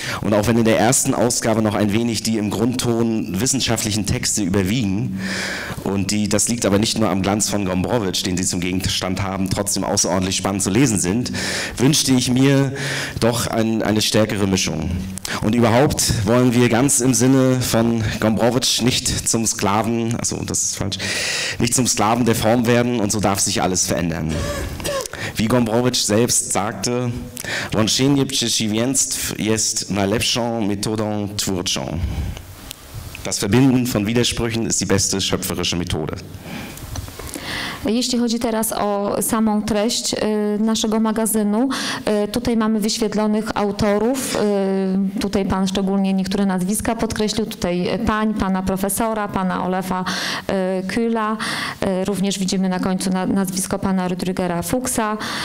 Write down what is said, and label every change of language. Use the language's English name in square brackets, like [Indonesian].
[German] Und auch wenn in der ersten Ausgabe noch ein wenig die im Grundton wissenschaftlichen Texte überwiegen, und das liegt aber nicht nur am Glanz von Gombrowicz, den sie zum Gegenstand haben, trotzdem außerordentlich spannend zu lesen sind, sind, wünschte ich mir doch eine stärkere Mischung. Und überhaupt wollen wir ganz im Sinne von Gombrowicz nicht zum Sklaven, also das ist falsch, nicht zum Sklaven der Form werden, und so darf sich alles verändern. Wie Gombrowicz selbst sagte, [Polish] Wonschenie przeciwieństw jest najlepszą metodą twórczą. [German] Das Verbinden von Widersprüchen ist die beste schöpferische Methode. [Polish] Jeśli chodzi teraz o samą treść naszego magazynu, tutaj mamy wyświetlonych autorów, tutaj pan szczególnie niektóre nazwiska podkreślił, tutaj pana profesora, pana Olafa Kühla, również widzimy na końcu nazwisko pana Rüdigera Fuchsa.